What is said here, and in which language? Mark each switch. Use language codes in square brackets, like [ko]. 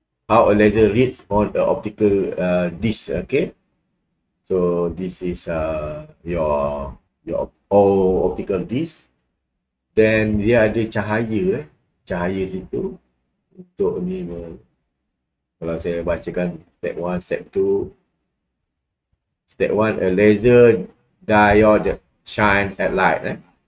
[en] How a laser reads on the optical disk, okay? So this is your optical disk. [ms] Then dia ada cahaya situ untuk ni. Kalau saya bacakan step 1, step 2. [en] Step 1, a laser diode shine at light.